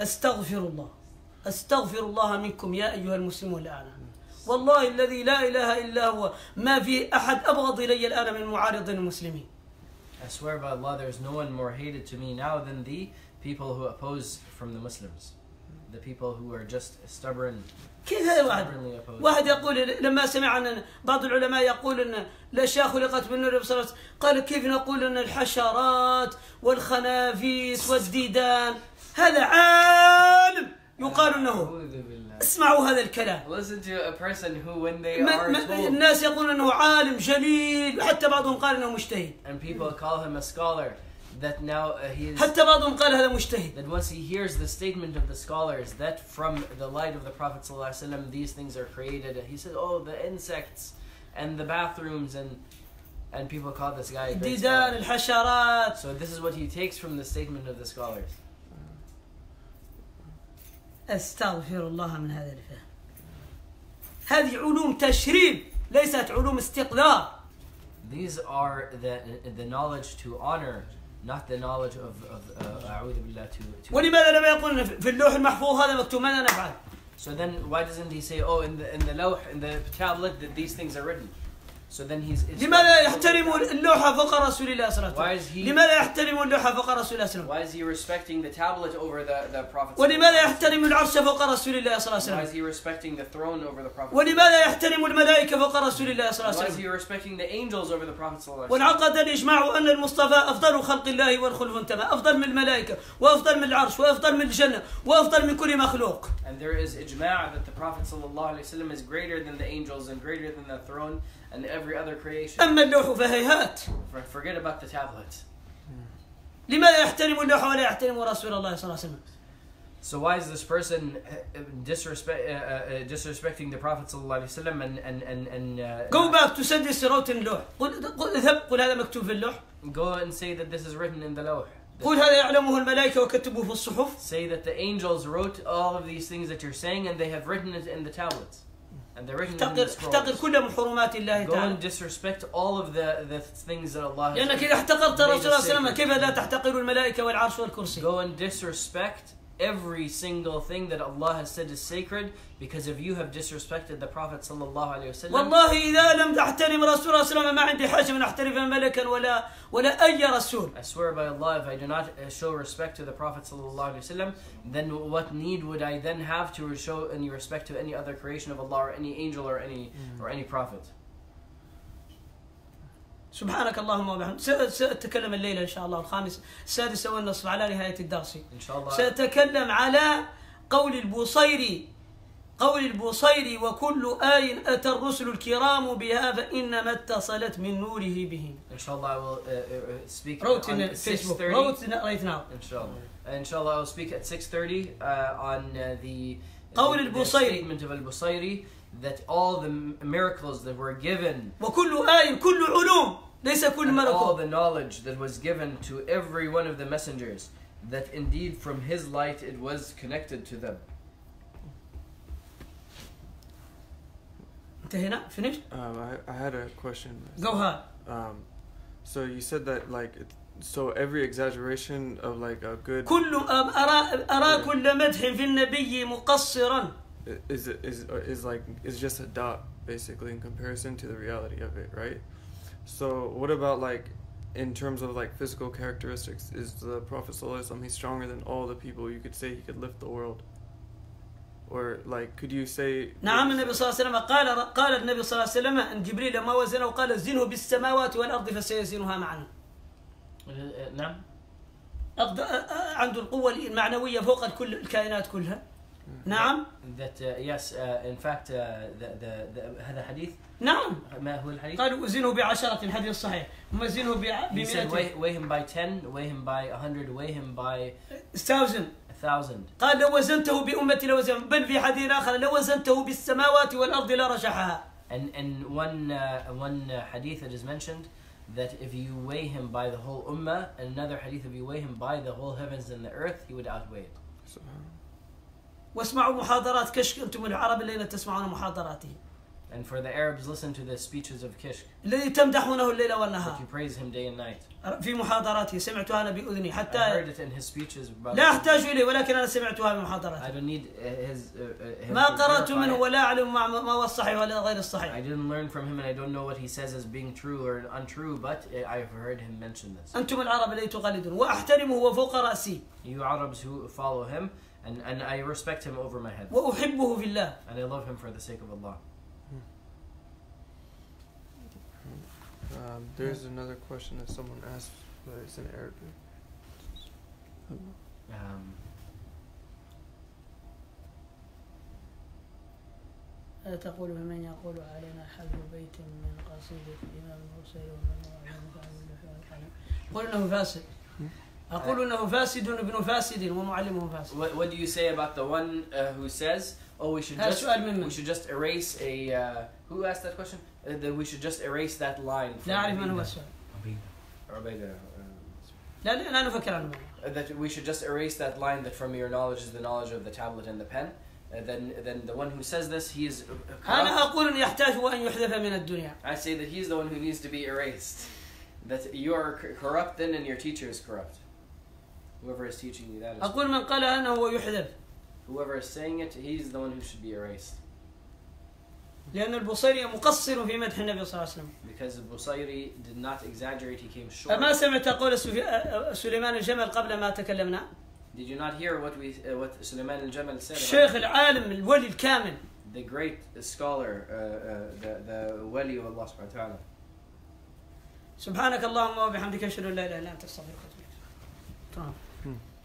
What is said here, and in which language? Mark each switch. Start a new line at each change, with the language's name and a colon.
Arabic: استغفر الله استغفر الله منكم يا ايها المسلمون الان والله الذي لا اله الا هو ما في احد ابغض الي الان من معارض المسلمين.
English: I swear by Allah there is no one more hated to me now than the people who oppose from the Muslims, the people who are just stubborn.
Arabic: كيف هذا واحد واحد يقول لما سمع ان بعض العلماء يقول ان الاشياء خلقت من نور بصرت قال كيف نقول ان الحشرات والخنافيس والديدان هذا عالم يقال انه اسمعوا هذا الكلام.
English: Listen to a person who when they are told
Arabic: الناس يقولون انه عالم جليل حتى بعضهم قال انه مجتهد.
English: And people call him a scholar that now he is
Arabic: حتى بعضهم قال هذا مجتهد.
English: That once he hears the statement of the scholars that from the light of the Prophet صلى الله عليه وسلم these things are created, he said, oh, the insects and the bathrooms and people call this guy
Arabic: ديدان الحشرات.
English: So this is what he takes from the statement of the scholars.
Arabic: استغفر الله من هذا الفهم. هذه علوم تشريب ليست علوم استقلال.
English: These are the knowledge to honor, not the knowledge of
Arabic: أعوذ بالله
English: to.
Arabic: ولماذا لم يقل في اللوح المحفوظ هذا مكتوب ماذا نفعل؟
English: So then why doesn't he say, oh, in the لوح in the tablet that these things are written? So then he's.
Arabic: لماذا يحترم اللوح فوق رسول الله صلى الله عليه وسلم؟ لماذا يحترم اللوح فوق رسول الله صلى الله عليه وسلم؟
English: Why is he respecting the tablet over the prophet?
Arabic: ولماذا يحترم العرش فوق رسول الله صلى الله عليه وسلم؟
English: Why is he respecting the throne over the prophet?
Arabic: ولماذا يحترم الملائكة فوق رسول الله صلى الله عليه وسلم؟
English: Why is he respecting the angels over the prophet صلى الله عليه وسلم؟
Arabic: وانعقد الإجماع أن المصطفى أفضل خلق الله والخلف تمام أفضل من الملائكة وأفضل من العرش وأفضل من الجنة وأفضل من كل مخلوق.
English: And there is إجماع that the prophet صلى الله عليه وسلم is greater than the angels and greater than the throne. And every other creation.
Arabic: أما اللوح فهيهات.
English: Forget about the tablet.
Arabic: لماذا يحترم اللوح ولا يحترم رسول الله صلى الله عليه وسلم؟
English: So why is this person disrespecting the Prophet صلى الله عليه وسلم and Go back to
Arabic: سد سيرات اللوح. قل هذا مكتوب في اللوح.
English: Go and say that this is written in the لوح.
Arabic: قل هذا يعلمه الملائكة وكتبوه في الصحف.
English: Say that the angels wrote all of these things that you're saying and they have written it in the tablets.
Arabic: احتقر كل من حرمات الله تعالى.
English: Go and disrespect all of the things that Allah has.
Arabic: لأنك إذا احتقرت رسول الله صلى الله عليه وسلم كيف لا تحتقر الملائكة والعرش والكرسي؟
English: Go and disrespect every single thing that Allah has said is sacred because if you have disrespected the Prophet صلى الله عليه وسلم.
Arabic: والله إذا لم أحترم رسول الله صلى الله عليه وسلم ما عندي حاجة من أحترم ملكا ولا أي رسول.
English: I swear by Allah if I do not show respect to the Prophet صلى الله عليه وسلم then what need would I then have to show any respect to any other creation of Allah or any angel or any or any prophet.
Arabic: سبحانك اللهم وبحمدك سأتكلم الليلة إن شاء الله الخامس السادسة والنصف على نهاية الدرس إن شاء الله سأتكلم على قول البوصيري قول البوصيري وكل آي أتى الرسل الكرام بها فإنما اتصلت من نوره بهم إن شاء الله
English: I will speak wrote on 6:30 wrote in right now
Arabic: إن شاء الله إن شاء الله
English: I will speak at 6:30 on the
Arabic: قول البوصيري
English: the statement of البوصيري that all the miracles that were given
Arabic: وكل آية كل علوم ليس كل
English: and all the knowledge that was given to every one of the messengers that indeed from his light it was connected to them.
Arabic: انتهينا
English: finished. I had a question. Go ahead. So you said that like it, so every exaggeration of like a good
Arabic: كل أرى كل مدح في النبي مقصرا
English: is just a dot basically in comparison to the reality of it, right? So what about like in terms of like physical characteristics, is the Prophet sallallahu alaihi wasallam, he's stronger than all the people, you could say he could lift the world, or like could you say
Arabic: نعم النبي صلى الله عليه وسلم قال النبي صلى الله عليه وسلم ان جبريل ما وزنه وقال زنه بالسماوات والارض فسيزنها معا نعم عنده القوة المعنوية فوق كل الكائنات كلها نعم.
English: That yes, in fact, the
Arabic: هذا حديث. نعم. ما هو الحديث؟ قالوا وزنه بعشرة الحديث الصحيح. ما زنه ب.
English: He said weigh him by 10, weigh him by 100, weigh him by. 1,000. 1,000.
Arabic: قال لو وزنته بأمتي لوزن بل في حديث آخر لو وزنته بالسماوات والأرض لرجحها.
English: And one hadith that is mentioned that if you weigh him by the whole ummah, and another hadith if you weigh him by the whole heavens and the earth, he would outweigh it.
Arabic: واسمعوا محاضرات كشك انتم العرب الذين تسمعون محاضراتي
English: And for the Arabs, listen to the speeches of Kishk.
Arabic: الذي تمدحونه الليل والنهار.
English: You praise him day and night.
Arabic: في محاضراته سمعتها أنا بأذني حتى.
English: I heard it in his speeches.
Arabic: لا أحتاج إليه ولكن أنا سمعتها من محاضراته.
English: I don't need his.
Arabic: ما قرأت منه ولا أعلم ما هو الصحيح ولا غير الصحيح.
English: I didn't learn from him and I don't know what he says as being true or untrue, but I've heard him mention this.
Arabic: أنتم العرب الذين تقلدون وأحترمه وفوق رأسي.
English: You Arabs who follow him and I respect him over my head.
Arabic: وأحبه في الله.
English: And I love him for the sake of Allah. There's another question that someone asked, but it's in Arabic.
Arabic: تقول بمن يقول علينا حل بيت من قصيدة الإمام الحسين ومن هو علم قول إنه فاسد. أقول إنه فاسد ابن فاسد ومعلمه فاسد.
English: What do you say about the one who says, "Oh, we should just erase a"? Who asked that question? That we should just erase that line.
Arabic: لا أعرف من هو السؤال. عبيدة. لا نفكر عنه.
English: That we should just erase that line that from your knowledge is the knowledge of the tablet and the pen. Then the one who says this, he is.
Arabic: أنا أقول إن يحتاج وأن يحذف من الدنيا.
English: I say that he's the one who needs to be erased. That you are corrupt then, and your teacher is corrupt. Whoever is teaching you that is.
Arabic: أقول من قال أنه هو يحذف.
English: Whoever is saying it, he's the one who should be erased.
Arabic: لأن البصيري مقصر في مدح النبي صلى الله عليه وسلم.
English: Because the Busayri did not exaggerate, he came short.
Arabic: أما سمعت قول سليمان الجمل قبل ما تكلمنا؟
English: Did you not hear what سليمان الجمل said?
Arabic: الشيخ العالم الولي الكامل.
English: The great scholar, the ولي of Allah سبحانه وتعالى.
Arabic: سبحانك اللهم وبحمدك أشهد أن لا إله إلا أنت أستغفرك وأتوب إليك. تمام.